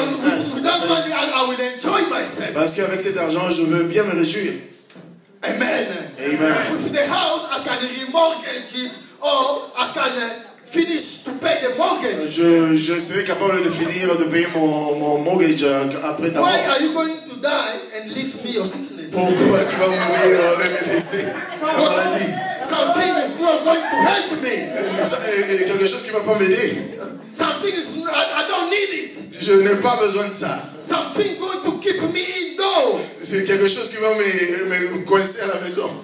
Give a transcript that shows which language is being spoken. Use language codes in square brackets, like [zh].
[en] Because with that money, I will enjoy myself. [fr] Parce qu'avec cet argent, je veux bien me réjouir. Amen. Amen. [en] With the house, I can remortgage it, or I can finish to pay the mortgage. [fr] Je serai capable de finir de payer mon mortgage après ta mort. [en] Why are you going to die and leave me your sickness? [fr] Pourquoi tu vas mourir et me laisser ta maladie? [en] Something is not going to help me. [fr] Quelque chose qui va pas m'aider. [en] Something is not, I don't need it. [fr] Je n'ai pas besoin de ça. [en] Something going to keep me indoors. [fr] C'est quelque chose qui va me coincer à la maison.